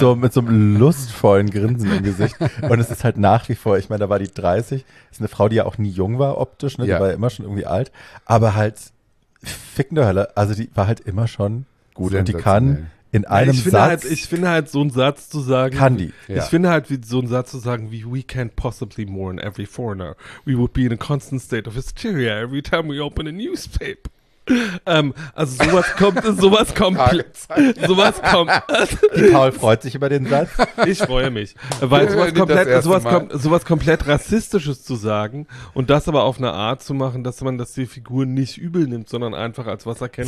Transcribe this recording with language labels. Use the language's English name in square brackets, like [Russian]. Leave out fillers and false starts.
[German] Mit so einem lustvollen Grinsen im Gesicht. Und es ist halt nach wie vor, ich meine, da war die 30, ist eine Frau, die ja auch nie jung war optisch, ne? Die war ja immer schon irgendwie alt. Aber halt, fickende Hölle, also die war halt immer schon gut. Und die kann in einem ich Satz. Halt, ich finde halt so einen Satz zu sagen. Candy. Ich finde halt wie so einen Satz zu sagen wie [English] we can't possibly mourn every foreigner. We would be in a constant state of hysteria every time we open a newspaper. [German] Also sowas kommt, sowas komplett. Sowas kommt. Die Paul freut sich über den Satz. Ich freue mich. Weil sowas komplett Rassistisches zu sagen und das aber auf eine Art zu machen, dass man das die Figur nicht übel nimmt, sondern einfach als was erkennt.